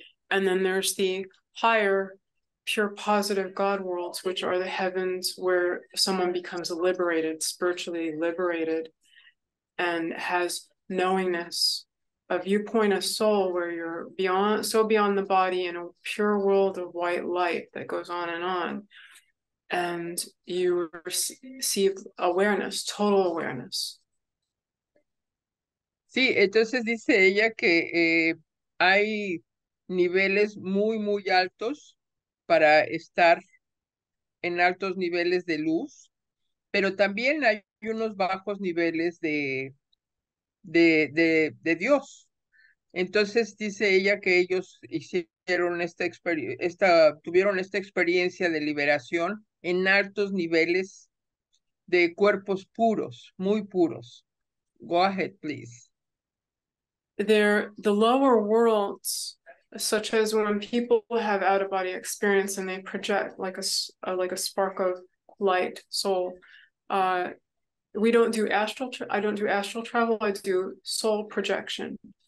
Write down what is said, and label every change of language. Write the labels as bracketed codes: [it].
[en] And then there's the higher, pure positive God worlds, which are the heavens where someone becomes liberated, spiritually liberated, and has knowingness. A viewpoint of soul where you're beyond the body in a pure world of white light that goes on, and you receive awareness, total awareness. [es] Sí, entonces dice ella que hay niveles muy, muy altos para estar en altos niveles de luz, pero también hay unos bajos niveles de Dios. Entonces dice ella que ellos hicieron tuvieron esta experiencia de liberación en altos niveles de cuerpos puros, muy puros. [en] Go ahead, please. The lower worlds, such as when people have out-of-body experience and they project like a spark of light, soul. I don't do astral travel, I do soul projection.